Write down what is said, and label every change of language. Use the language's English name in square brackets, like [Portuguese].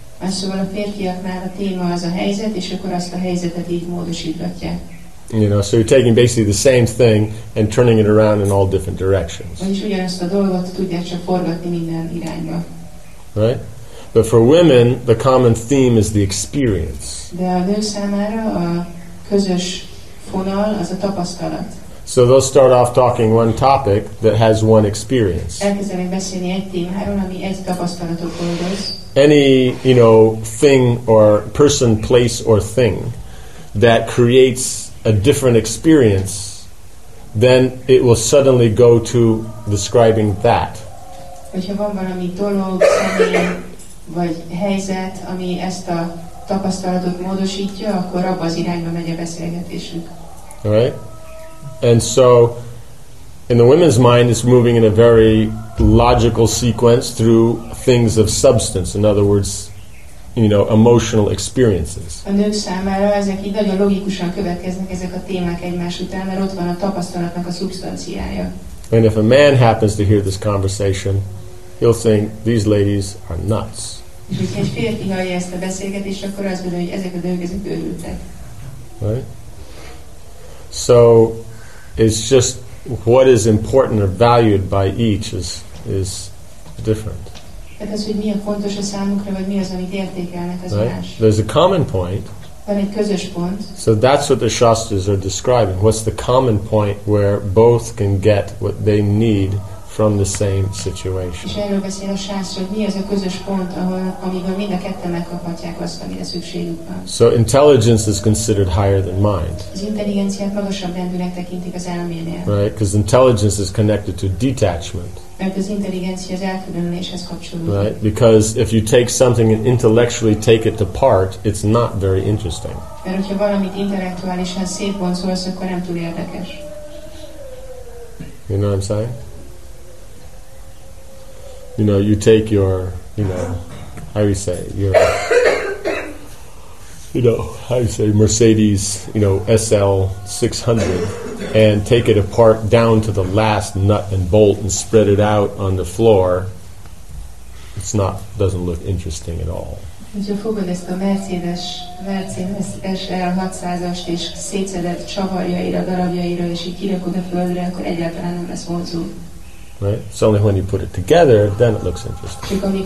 [English] You know, so you're taking basically the same thing and turning it around in all different directions. Right? But for women, the common theme is the experience. [Hungarian] De a nő számára a közös fonal az a tapasztalat. [English] So they'll start off talking one topic that has one experience. [Hungarian] Elkezdenek beszélni egy témáról, ami egy tapasztalatot hordoz. [English] Any, you know, thing or person, place or thing that creates a different experience, then it will suddenly go to describing that. [Hungarian] Hogyha van valami dolog, személy, vagy helyzet, ami ezt a tapasztalatot módosítja, akkor abba az irányba megy a beszélgetésük. [English] All right? And so in the women's mind, it's moving in a very logical sequence through things of substance, in other words, you know, emotional experiences. [Hungarian] A nők számára ezek így nagyon logikusan következnek, ezek a témák egymás után, mert ott van a tapasztalatnak a szubstanciája. [English] And if a man happens to hear this conversation, he'll think, these ladies are nuts. [Hungarian] És hogy egy férfi hallja ezt a beszélgetést, akkor azt mondja, hogy ezek a nők, ezek őrültek. [English] Right? So, it's just what is important or valued by each is different. [Hungarian] Tehát az, hogy mi a fontos a számukra, vagy mi az, amit értékelnek, az [English] right? [Hungarian] Más. [English] There's a common point. [Hungarian] Van egy közös pont. [English] So that's what the Shastras are describing. What's the common point where both can get what they need from the same situation? [Hungarian] És erről beszél a Shastra, hogy mi az a közös pont, amiből mind a ketten megkaphatják azt, amire szükségük van. [English] So intelligence is considered higher than mind. [Hungarian] Az intelligenciát magasabb rendűnek tekintik az elménél. [English] Right? Because intelligence is connected to detachment. [Hungarian] Mert az intelligencia az elkülönüléshez kapcsolódik. [English] Right? Because if you take something and intellectually take it apart, it's not very interesting. [Hungarian] Mert hogyha valamit intellektuálisan szétvonszolsz, akkor nem túl érdekes. [English] You know what I'm saying? You know, you take your, you know, how do you say, your, you know, how do you say, Mercedes, you know, SL600, and take it apart down to the last nut and bolt and spread it out on the floor, it's not, doesn't look interesting at all. [Hungarian] Hogyha fogod ezt a Mercedes SL600-ast és szétszedett csavarjaira, darabjaira, és így kirakod a földre, akkor egyáltalán nem lesz vonzó. [English] Right? It's only when you put it together, then it looks interesting.